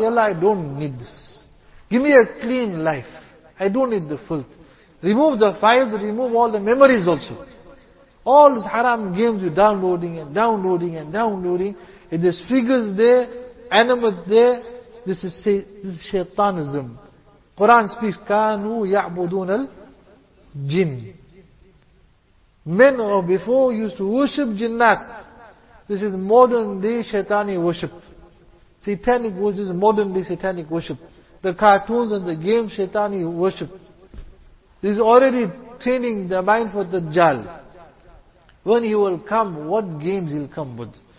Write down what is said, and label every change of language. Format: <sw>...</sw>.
<en>Ya Allah, I don't need this. Give me a clean life. I don't need the filth. Remove the files, remove all the memories also. All these haram games you're downloading and downloading and downloading. If there's figures there, animals there, this is shaitanism. Quran speaks,</en> <ar>كَانُوا يَعْبُدُونَ الْجِنِ.</ar> <en>Men of before used to worship jinnat. This is modern day shaitani worship. Satanic worship is modern day satanic worship. The cartoons and the games, shaitani worship. This is already training the mind for the Dajjal. When he will come, what games he'll come with?</en>